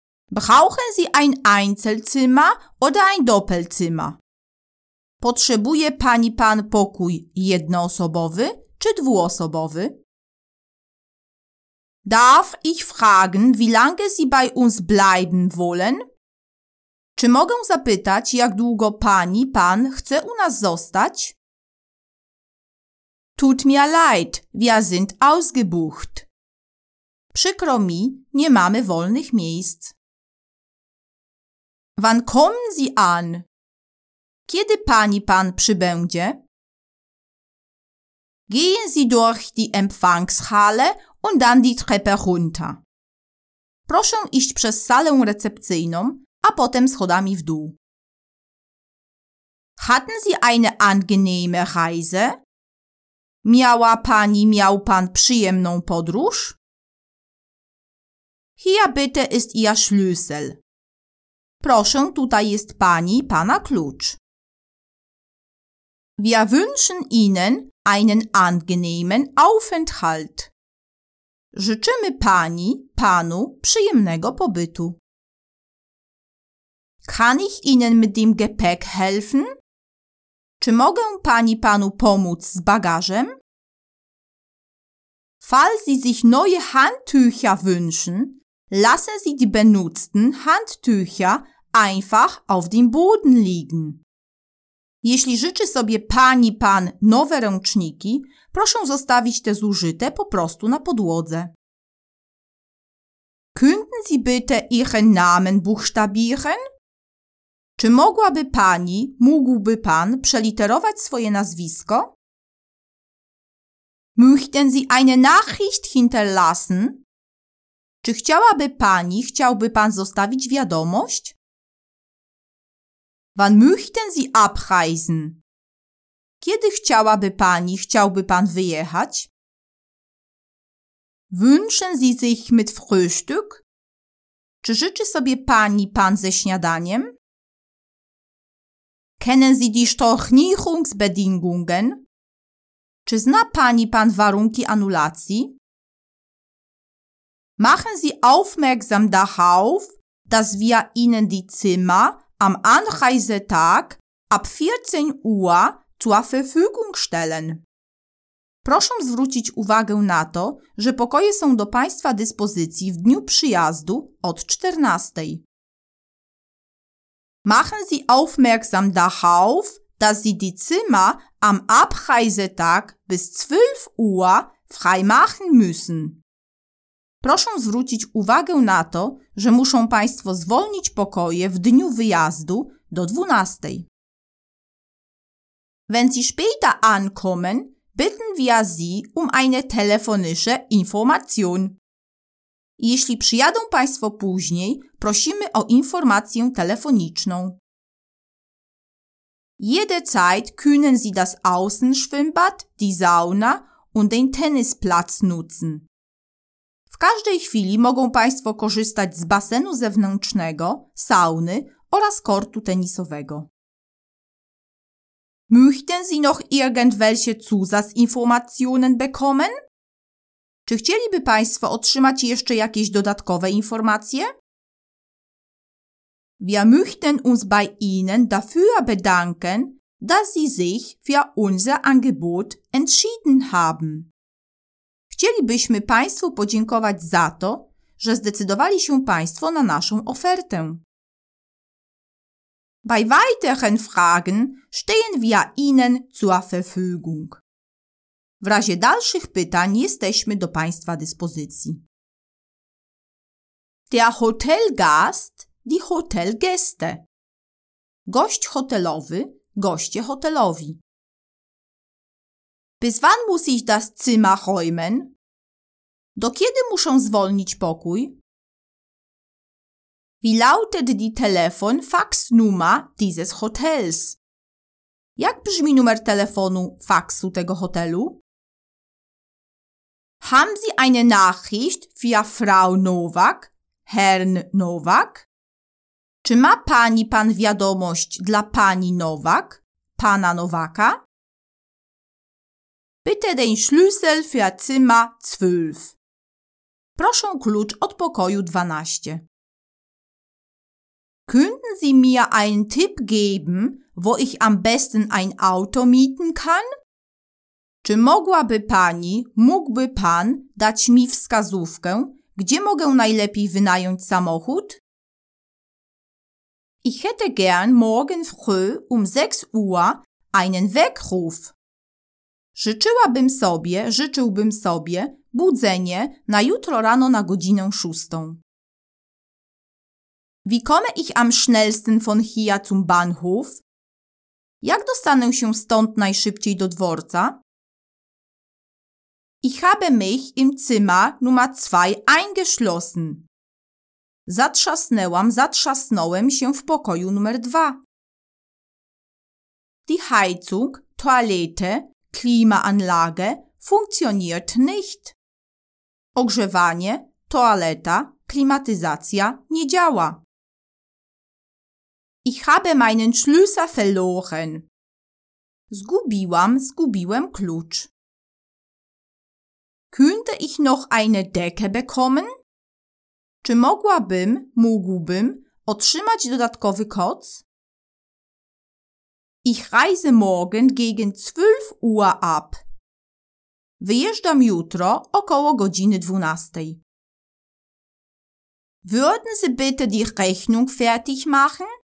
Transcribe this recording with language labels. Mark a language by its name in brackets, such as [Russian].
[German] Brauchen Sie ein Einzelzimmer oder ein Doppelzimmer? [Polish] Potrzebuje Pani Pan pokój jednoosobowy czy dwuosobowy? [German] Darf ich fragen, wie lange Sie bei uns bleiben wollen? [Polish] Czy mogę zapytać, jak długo Pani Pan chce u nas zostać? [German] Tut mir leid, wir sind ausgebucht. [Polish] Przykro mi, nie mamy wolnych miejsc. [German] Wann kommen Sie an? [Polish] Kiedy Pani Pan przybędzie? [German] Gehen Sie durch die Empfangshalle und dann die Treppe runter. [Polish] Proszę iść przez salę recepcyjną, a potem schodami w dół. [German] Hatten Sie eine angenehme Reise? [Polish] Miała Pani, miał Pan przyjemną podróż? [German] Hier bitte ist Ihr Schlüssel. [Polish] Proszę, tutaj jest Pani, Pana klucz. [German] Wir wünschen Ihnen einen angenehmen Aufenthalt. [Polish] Życzymy Pani, Panu przyjemnego pobytu. [German] Kann ich Ihnen mit dem Gepäck helfen? [Polish] Czy mogę Pani, Panu pomóc z bagażem? [German] Falls Sie sich neue Handtücher wünschen, lassen Sie die benutzten Handtücher einfach auf dem Boden liegen. [Polish] Jeśli życzy sobie Pani Pan nowe ręczniki, proszę zostawić te zużyte po prostu na podłodze. [German] Könnten Sie bitte Ihren Namen buchstabieren? [Polish] Czy mogłaby Pani, mógłby Pan przeliterować swoje nazwisko? [German] Möchten Sie eine Nachricht hinterlassen? [Polish] Czy chciałaby Pani, chciałby Pan zostawić wiadomość? [German] Wann möchten Sie abreisen? [Polish] Kiedy chciałaby Pani, chciałby Pan wyjechać? [German] Wünschen Sie sich mit Frühstück? [Polish] Czy życzy sobie Pani, Pan ze śniadaniem? [German] Kennen Sie die Stornierungsbedingungen? [Polish] Czy zna Pani, Pan warunki anulacji? [German] Machen Sie aufmerksam darauf, dass wir Ihnen die Zimmer am Anreisetag ab 14 Uhr zur Verfügung stellen. [Polish] Proszę zwrócić uwagę na to, że pokoje są do Państwa dyspozycji w dniu przyjazdu od 14. [German] Machen Sie aufmerksam darauf, dass Sie die Zimmer am Abreisetag bis 12 Uhr freimachen müssen. [Polish] Proszę zwrócić uwagę na to, że muszą Państwo zwolnić pokoje w dniu wyjazdu do 12. [German] Wenn Sie später ankommen, bitten wir Sie um eine telefonische Information. [Polish] Jeśli przyjadą Państwo później, prosimy o informację telefoniczną. [German] Jede Zeit können Sie das Außenschwimmbad, die Sauna und den Tennisplatz nutzen. [Polish] W każdej chwili mogą Państwo korzystać z basenu zewnętrznego, sauny oraz kortu tenisowego. [German] Möchten Sie noch irgendwelche Zusatzinformationen bekommen? [Polish] Czy chcieliby Państwo otrzymać jeszcze jakieś dodatkowe informacje? [German] Wir möchten uns bei Ihnen dafür bedanken, dass Sie sich für unser Angebot entschieden haben. [Polish] Chcielibyśmy Państwu podziękować za to, że zdecydowali się Państwo na naszą ofertę. [German] Bei weiteren Fragen stehen wir Ihnen zur Verfügung. [Polish] W razie dalszych pytań jesteśmy do Państwa dyspozycji. [German] Der Hotelgast, die Hotelgäste. [Polish] Gość hotelowy, goście hotelowi. [German] Bis wann muss ich das Zimmer räumen? [Polish] Do kiedy muszą zwolnić pokój? [German] Wie lautet die Telefon-Faxnummer dieses Hotels? [Polish] Jak brzmi numer telefonu faksu tego hotelu? [German] Haben Sie eine Nachricht für Frau Nowak, Herrn Nowak? [Polish] Czy ma pani pan wiadomość dla pani Nowak, pana Nowaka? [German] Bitte den Schlüssel für Zimmer 12. [Polish] Proszę klucz od pokoju 12. [German] Könnten Sie mir einen Tipp geben, wo ich am besten ein Auto mieten kann? [Polish] Czy mogłaby pani, mógłby pan dać mi wskazówkę, gdzie mogę najlepiej wynająć samochód? [German] Ich hätte gern morgen früh 6 Uhr einen Weckruf. [Polish] Życzyłbym sobie budzenie na jutro rano na godzinę 6. [German] Wie komme ich am schnellsten von hier zum Bahnhof? [Polish] Jak dostanę się stąd najszybciej do dworca? [German] Ich habe mich im Zimmer Nummer 2 eingeschlossen. [Polish] Zatrzasnąłem się w pokoju numer 2. [German] Die Heizung, Toilette, Klimaanlage funktioniert nicht. [Polish] Ogrzewanie, toaleta, klimatyzacja nie działa. [German] Ich habe meinen Schlüssel verloren. [Polish] Zgubiłem klucz. [German] Könnte ich noch eine Decke bekommen? [Polish] Czy mógłbym otrzymać dodatkowy koc? [German] Ich reise morgen gegen 12 Uhr ab. [Polish] Wyjeżdżam jutro około godziny 12. [German] Würden Sie bitte die Rechnung fertig machen?